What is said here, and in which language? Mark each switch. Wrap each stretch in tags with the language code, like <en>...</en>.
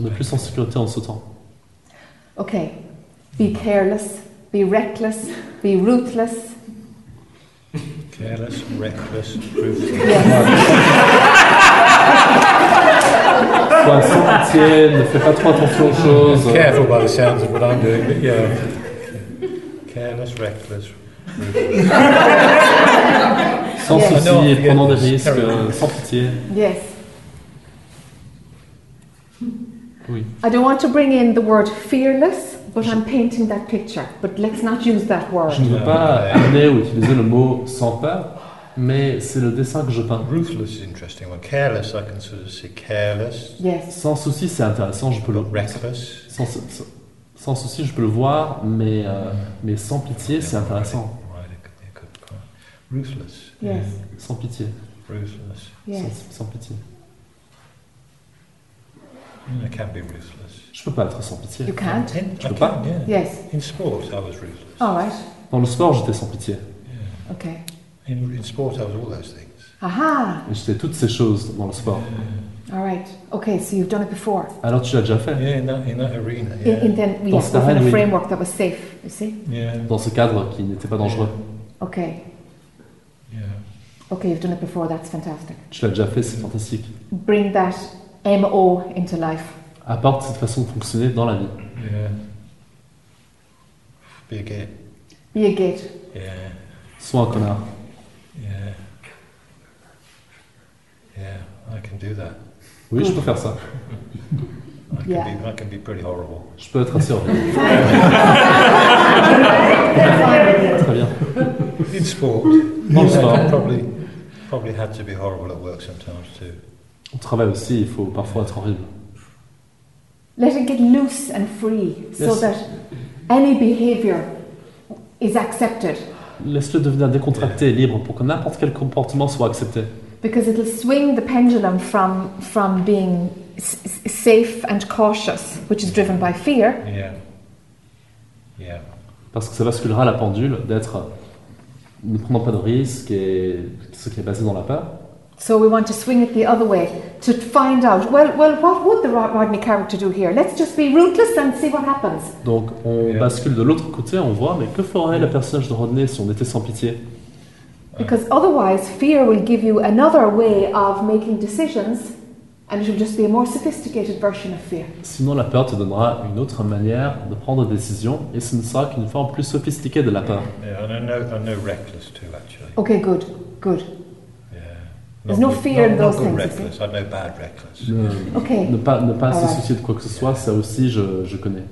<fr>On est plus en sécurité en sautant.</fr> <en>Okay. Be careless, be reckless, be ruthless. Careless, reckless, ruthless.</en> <fr>Sois sans pitié, ne fais pas trop attention aux choses.</fr> <en>Careful by the sounds of what I'm doing, but yeah. Careless, reckless, ruthless.</en> <fr>Sans souci, yes. Prenant des risques, sans pitié.</fr> <en>Yes.</en> <fr>Oui.</fr> <en>I don't want to bring in the word fearless. But I'm painting that picture. But let's not use that word.</en> <fr>Je ne veux pas amener ou utiliser le mot sans peur, mais c'est le dessin que je peins.</fr> <en>Ruthless is interesting. Well, careless, I can sort of say careless. Yes.</en> <fr>Sans souci, c'est intéressant. Je peux le</fr> <en>reckless.</en> <fr>Sans souci, je peux le voir, mais sans pitié, c'est intéressant.</fr> <en>Right, it could ruthless. Yes.</en> <fr>Sans pitié.</fr> <en>Ruthless. Yes.</en> <fr>Sans pitié.</fr> <en>I can't be ruthless.</en> <fr>Je ne peux pas être sans pitié.</fr> <en>You can't?</en> <fr>Je peux pas.</fr> <en>Yeah. Yes. In sport, I was ruthless. All right.</en> <fr>Dans le sport, j'étais sans pitié.</fr> <en>Yeah. Okay. In sport, I was all those things. Aha.</en> <fr>Et j'étais toutes ces choses dans le sport.</fr> <en>Yeah. All right. Okay, so you've done it before.</en> <fr>Alors, tu l'as déjà fait.</fr> <en>Yeah, in that arena. Yeah. Within a framework that was safe, you see? Yeah.</en> <fr>Dans ce cadre qui n'était pas dangereux. Yeah.</fr> <en>Okay. Yeah. Okay, you've done it before, that's fantastic.</en> <fr>Tu l'as déjà fait, c'est fantastique.</fr> <en>Bring that MO into life.</en> <fr>Apporte cette façon de fonctionner dans la vie.</fr> <en>Yeah. Be a git. Be a git. Yeah.</en> <fr>Sois un connard.</fr> <en>Yeah. Yeah, I can do that.</en> <fr>Oui, je peux faire ça.</fr> <en>I can be pretty horrible.</en> <fr>Je peux être assez horrible. Très bien.</fr> <en>In sport.</en> <fr>En sport.</fr> <en>Probably had to be horrible at work sometimes too.</en> <fr>Au travail aussi, il faut parfois être horrible.</fr> <en>Let it get loose and free, so that any behavior is accepted.</en> <fr>Laisse-le devenir décontracté et libre pour que n'importe quel comportement soit accepté.</fr> <en>Because it'll swing the pendulum from being safe and cautious, which is driven by fear. Yeah. Yeah.</en> <fr>Parce que ça basculera la pendule d'être ne prenant pas de risques et ce qui est basé dans la peur.</fr> <en>So we want to swing it the other way to find out. Well, what would the Rodney character do here? Let's just be ruthless and see what happens.</en> <fr>Donc on bascule de l'autre côté, on voit, mais que ferait le personnage de Rodney si on était sans pitié?</fr> <en>Because otherwise, fear will give you another way of making decisions, and it will just be a more sophisticated version of fear.</en> <fr>Sinon, la peur te donnera une autre manière de prendre des décisions, et ce ne sera qu'une forme plus sophistiquée de la peur.</fr> <en>Yeah, and I know reckless too, actually. Okay, good. There's no fear in those things. I know bad reckless. Okay.</en> <fr>Ne pas se soucier de quoi que ce soit, ça aussi je connais.</fr>